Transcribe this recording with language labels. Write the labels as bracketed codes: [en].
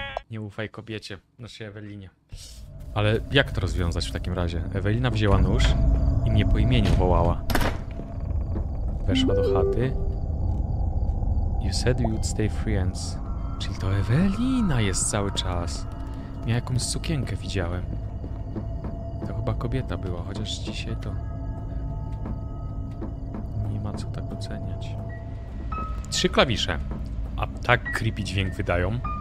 [pl] Nie ufaj kobiecie, znaczy Ewelinie. Ale jak to rozwiązać w takim razie? Ewelina wzięła nóż i mnie po imieniu wołała. Weszła do chaty. [en] You said you'd stay friends. [pl] Czyli to Ewelina jest cały czas. Ja jakąś sukienkę widziałem. To chyba kobieta była, chociaż dzisiaj to... Nie ma co tak oceniać. Trzy klawisze. A tak creepy dźwięk wydają.